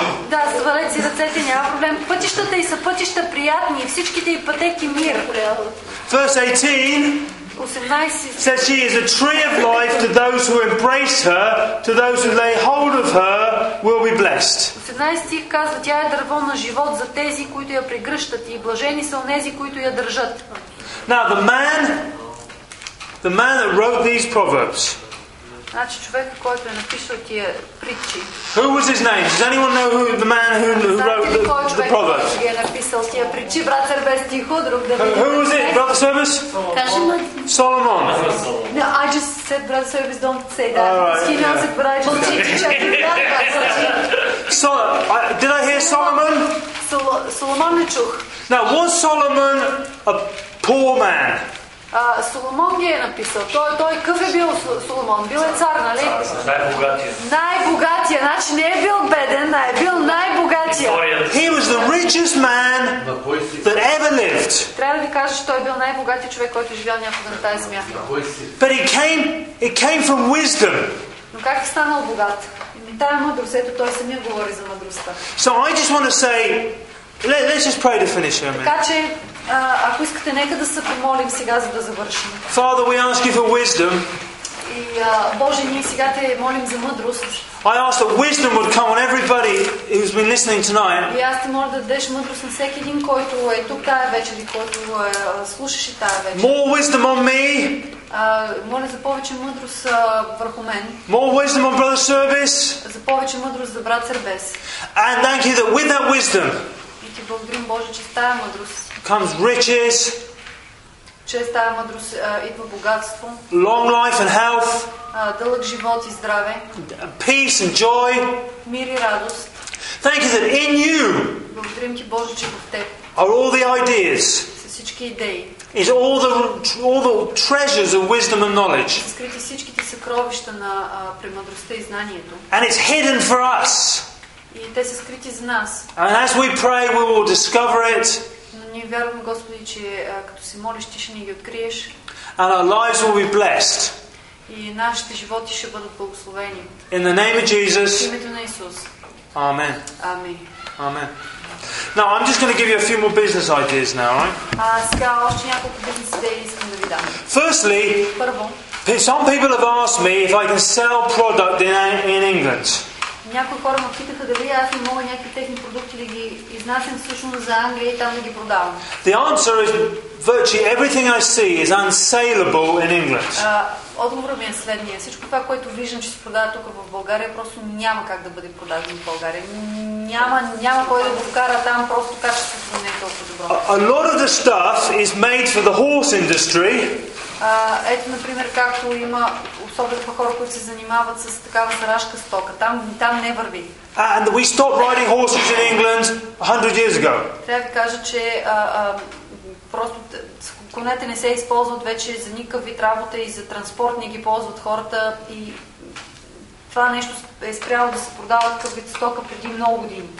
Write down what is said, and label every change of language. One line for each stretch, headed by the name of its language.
Bulgarian: Да, свалете си ръцете, няма проблем. Пътищата и са пътища приятни, всичките и пътеки мир.
English: Verse 18. Says she is a tree of life to those who embrace her, to those who lay hold of her will be blessed.
Bulgarian: 18 казва, тя е дърво на живот за тези, които я прегръщат, и блажени са онези, които я държат.
English: Now the man that wrote these proverbs.
Bulgarian: Значи човекът, който е написал тия притчи.
English: Who was his name? Does anyone know who the man who wrote the proverbs?
Bulgarian: Кой е написал тия притчи, брат Сербес Тихо, друг да види.
English: Who was it? Brother Service? Solomon. No, I just said brother Service, don't say that. All right. Did I hear Solomon?
Bulgarian: Solomon не чух.
English: Now was Solomon a poor man?
Bulgarian: Соломон ги е написал. Той какъв е бил Соломон? Бил е цар, нали? Най-богатия. Значи не е бил беден, а е бил най-богатия.
English: He was the richest man that ever lived.
Bulgarian: Трябва да ви кажа, че той е бил най-богатия човек, който е живял някога на тази земя.
English: But it came from wisdom.
Bulgarian: Но как е станал богат? Тая мъдрост, ето той самия говори за мъдростта.
English: So I just want to say, let's just pray to finish here, man.
Bulgarian: Ако искате, нека да се помолим сега, за да завършим.
English: Father, we ask you for wisdom.
Bulgarian: И Боже, ние сега те молим за мъдрост.
English: I ask that wisdom would come on everybody who's been listening tonight.
Bulgarian: И аз те моля да дадеш мъдрост на всеки един, който е тук тая вечер и който слушаше тая вечер.
English: More wisdom on me.
Bulgarian: Моля за повече мъдрост върху мен.
English: More wisdom on brother Service.
Bulgarian: За повече мъдрост за брат Сербес.
English: And thank you that with that wisdom.
Bulgarian: И ти благодарим, Боже, че с тая мъдрост.
English: Comes riches.
Bulgarian: Чрез тая мъдрост идва богатство.
English: Long life and health.
Bulgarian: Дълъг живот и здраве.
English: Peace and joy.
Bulgarian: Мир и радост.
English: Thank you that in you.
Bulgarian: Благодарим ти, Боже, че в теб.
English: Are all the ideas.
Bulgarian: Са всички идеи.
English: Is all the treasures of wisdom and knowledge.
Bulgarian: Скрити всичките съкровища на премъдростта и знанието.
English: And it's hidden for us.
Bulgarian: И те са скрити за нас.
English: And as we pray, we will discover it.
Bulgarian: Ние вярваме, Господи, че като се молиш, ти ще ни ги откриеш.
English: And our lives will be blessed.
Bulgarian: И нашите животи ще бъдат благословени.
English: In the name of Jesus.
Bulgarian: В името на Исус.
English: Amen.
Bulgarian: Амин.
English: Amen. Now I'm just going to give you a few more business ideas now, right?
Bulgarian: Сега още няколко бизнес идеи искам да ви дам.
English: Firstly, some people have asked me if I can sell product in England.
Bulgarian: Някои хора ме питаха дали аз не мога някакви техни продукти да ги изнасям всъщност за Англия и там да ги продавам.
English: The answer is virtually everything I see is unsaleable in England.
Bulgarian: Отговорът ми е следния. Всичко това, което виждам, че се продава тук в България, просто няма как да бъде продадено в България. Няма кой да го вкара там, просто качеството не е толкова добро.
English: A lot of the stuff is made for the horse industry.
Bulgarian: Ето, например, както има особено по хора, които се занимават с такава заражка стока. Там не върви.
English: And we stopped riding horses in England 100 years ago.
Bulgarian: Трябва да кажа, че просто конете не се използват вече за никакъв вид работа и за транспорт не ги ползват хората. И това нещо е спряло да се продава такъв вид стока преди много години.